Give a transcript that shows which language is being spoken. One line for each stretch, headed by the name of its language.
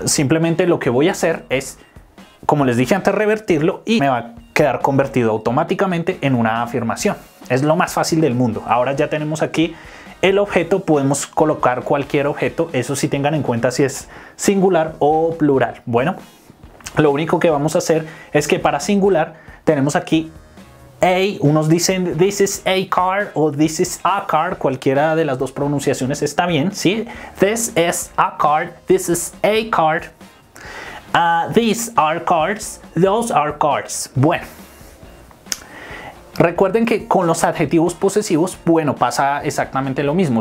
Spanish: Simplemente lo que voy a hacer es, como les dije antes, revertirlo y me va a quedar convertido automáticamente en una afirmación. Es lo más fácil del mundo. Ahora ya tenemos aquí el objeto. Podemos colocar cualquier objeto. Eso sí, tengan en cuenta si es singular o plural. Bueno, lo único que vamos a hacer es que para singular tenemos aquí a. Unos dicen
English: this is a car o this is a car.
Spanish: Cualquiera de las dos pronunciaciones está bien, ¿sí?
English: This is a car. This is a car. These are cars. Those are cars.
Spanish: Bueno. Recuerden que con los adjetivos posesivos, bueno, pasa exactamente lo mismo.